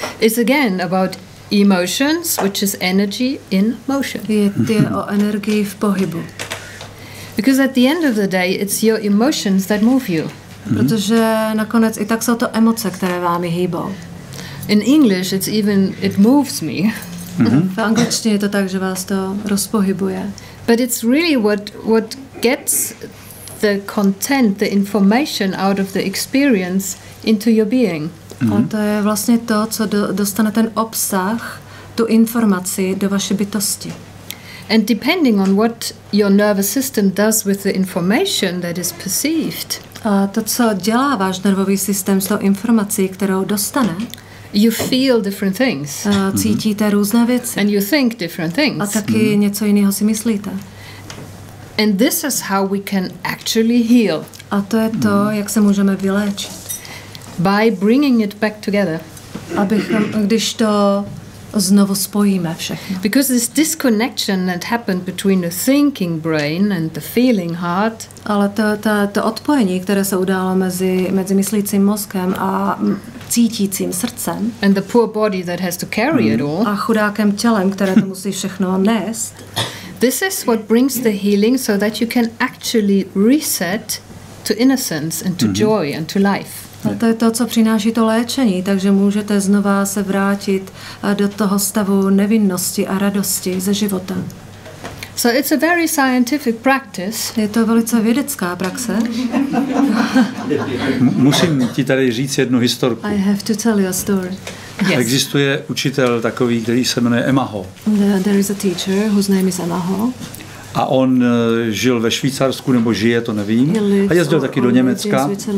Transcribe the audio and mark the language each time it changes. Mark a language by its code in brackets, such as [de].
[en] Is again about emotions, which is energy in motion. [cs] Je o energii v pohybu. [en] Because at the end of the day, it's your emotions that move you. [cs] Protože nakonec i tak jsou to emoce, které vámi hýbou. [en] In English it's even it moves me. [cs] V angličtině je to tak, že vás to rozpohybuje. [en] But it's really what gets the content, the information out of the experience into your being. [cs] A to je vlastně to, co dostane ten obsah, tu informaci do vaší bytosti. [en] And depending on what your nervous system does with the information that is perceived. [cs] A to, co dělá váš nervový systém s tou informací, kterou dostane. [en] You feel different things. [cs] Cítíte různé věci. [en] And you think different things. [cs] A taky něco jiného si myslíte. [en] And this is how we can actually heal. [cs] A to je to, jak se můžeme vyléčit. [en] By bringing it back together. [cs] Když to znovu spojíme všechno. [en] Because this disconnection that happened between the thinking brain and the feeling heart. [cs] Ale to odpojení, které se událo mezi myslícím mozkem a cítícím srdcem. [en] And the poor body that has to carry it all. [cs] A chudákem tělem, které to musí všechno nést. [en] This is what brings the healing so that you can actually reset to innocence and to joy and to life. [cs] A to je to, co přináší to léčení, takže můžete znova se vrátit do toho stavu nevinnosti a radosti ze života. [en] So it's a very scientific practice. [cs] Je to velice vědecká praxe. Musím ti tady říct jednu historku. [en] I have to tell you a story. Yes. [cs] Existuje učitel takový, který se jmenuje Emaho. [en] There is a teacher whose name is Emaho. [cs] A on žil ve Švýcarsku, nebo žije, to nevím. A jezdil taky do Německa.